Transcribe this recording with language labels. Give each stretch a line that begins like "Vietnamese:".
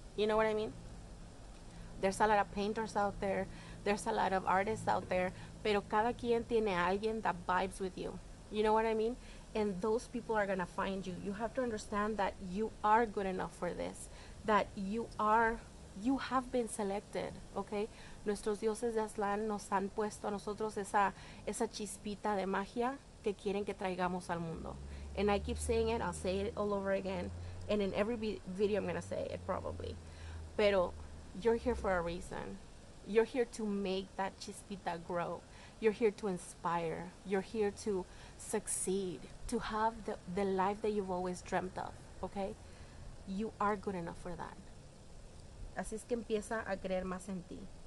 English: You know what I mean? There's a lot of painters out there. There's a lot of artists out there.
Spanish: Pero cada quien tiene alguien
English: that vibes with you. You know what I mean? And those people are gonna find you. You have to understand that you are good enough for this. That you have been selected, okay?
Spanish: Nuestros dioses de Aztlán nos han puesto a nosotros esa chispita de magia que quieren que traigamos al mundo.
English: And I keep saying it, I'll say it all over again, and in every video I'm gonna say it probably. Pero you're here for a reason. You're here to make that chispita grow. You're here to inspire. You're here to succeed, to have the life that you've always dreamt of, okay? You are good enough for that.
Spanish: Así es que empieza a creer más en ti.